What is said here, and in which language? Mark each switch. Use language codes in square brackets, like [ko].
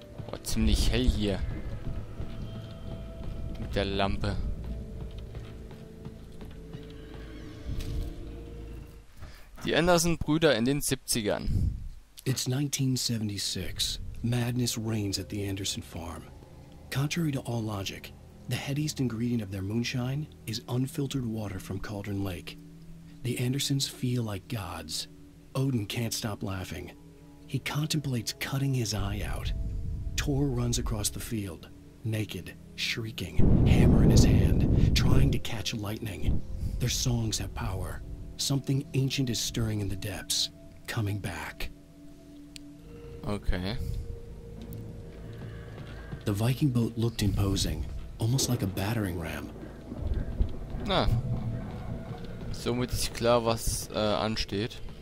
[de] Boah, ziemlich hell hier. Mit der Lampe. Die Anderson-Brüder in den 70ern. [en] It's 1976. Madness reigns at the Anderson Farm. Contrary to all logic, the headiest ingredient of their moonshine is unfiltered water from Cauldron Lake. The Andersons feel like gods. Odin can't stop laughing. He contemplates cutting his eye out. Tor runs across the field, naked, shrieking, hammer in his hand, trying to catch lightning. Their songs have power. Something ancient is stirring in the depths, coming back. Okay. The Viking boat looked imposing, almost like a battering ram. Na. [de] Somit ist klar, was ansteht.